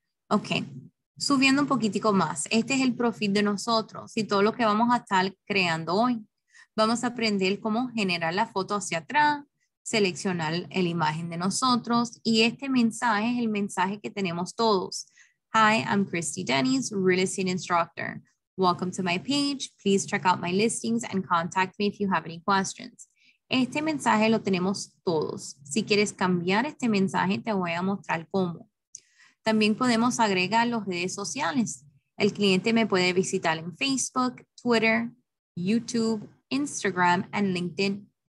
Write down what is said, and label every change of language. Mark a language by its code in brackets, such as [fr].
[es] Ok, subiendo un poquitico más. Este es el perfil de nosotros y todo lo que vamos a estar creando hoy. Vamos a aprender cómo generar la foto hacia atrás, seleccionar la imagen de nosotros y este mensaje es el mensaje que tenemos todos. [en] Hi, I'm Christy Dennis, Real Estate Instructor. Welcome to my page. Please check out my listings and contact me if you have any questions. [es] Este mensaje lo tenemos todos. Si quieres cambiar este mensaje, te voy a mostrar cómo. También podemos agregar las redes sociales. El cliente me puede visitar en Facebook, Twitter, YouTube, Instagram y LinkedIn.